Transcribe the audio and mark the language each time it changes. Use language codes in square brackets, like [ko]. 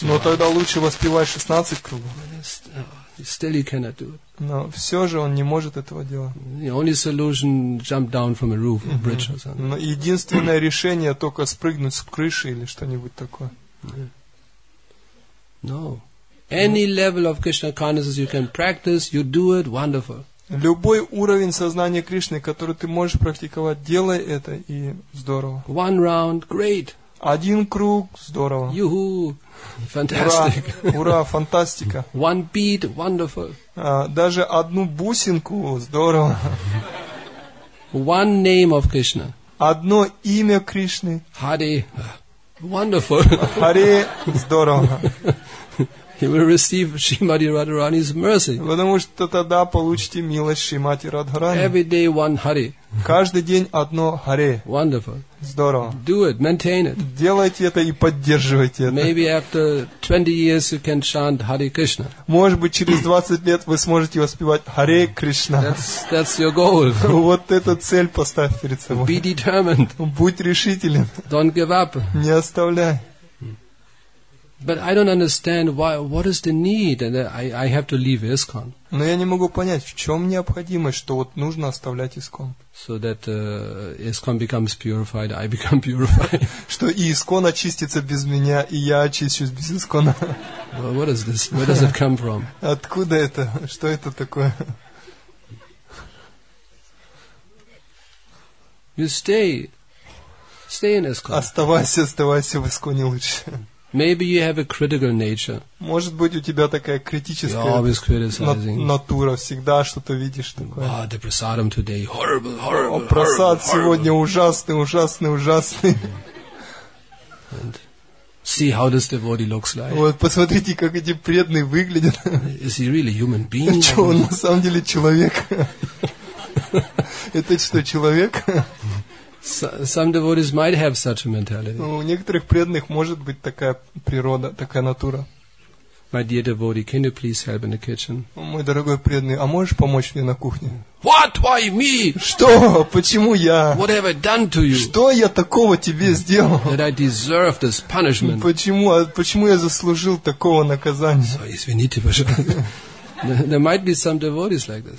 [ru] но тогда лучше воспевай 16 кругов. [en] Still he cannot do it. [ru] Но все же он не может этого делать. [en] The only solution, jump down from a roof, a bridge or something. [ru] Но единственное решение только спрыгнуть с крыши или что-нибудь такое. [en] No. Any level of Krishna consciousness you can practice, you do it, wonderful. [ru] Любой уровень сознания Кришны, который ты можешь практиковать, делай это и здорово. [en] One round, great. [ru] Один круг, здорово. Юху. Фантастик. Ура, фантастика. [en] One beat, wonderful. [ru] Даже одну бусинку, здорово. [en] One name of Krishna. [ru] Одно имя Кришны. [en] Hare. Wonderful. [ru] Hare, здорово. [en] you will receive Shrimati Radharani's mercy. [ru] Потому что тогда получите милость Шримати Радхарани. [en] Every day one Hare. [ru] Каждый день одно Hare. [en] Wonderful. [ru] Здорово. [en] Do it, maintain it. [ru] Делайте это и поддерживайте это. [en] Maybe after 20 years you can chant Hare Krishna. [ru] Может быть, через 20 лет вы сможете воспевать Hare Krishna. [en] That's your goal. [ru] Вот эту цель поставь перед собой. [en] Be determined. [ru] Будь решителен. [en] Don't give up. [ru] Не оставляй. [en] But I don't understand why. What is the need, and I have to leave ISKCON. [ru] Но я не могу понять, в чем необходимость, что вот нужно оставлять ISKCON. [en] So that ISKCON becomes purified, I become purified. [ru] Что и ISKCON очистится без меня, и я очищусь без ISKCON. [en] Well, what is this? Where does it come from? [ru] Откуда это? Что это такое? [en] You stay in ISKCON. [ru] Оставайся в ISKCON лучше. [en] Maybe you have a critical nature. [ru] Может быть, у тебя такая критическая натура, всегда что-то видишь такое. [en] Ah, the prasadam today horrible, horrible. [ru] О, прасад сегодня ужасный. [en] And see how this devotee looks like. [ru] Вот посмотрите, как эти преданные выглядят. [en] Is he really human being? [ru] Что, он на самом деле человек? Это что, человек? [en] Some devotees might have such a mentality. [ru] У некоторых преданных может быть такая природа, такая натура. [en] My dear devotee, can you please help in the kitchen? [ru] Мой дорогой преданный, а можешь помочь мне на кухне? [en] What? Why me? [ru] Что? Почему я? [en] What have I done to you? [ru] Что я такого тебе сделал? [en] That I deserve this punishment. [ru] Почему я заслужил такого наказания? So, извините, пожалуйста. [en] There might be some devotees like this.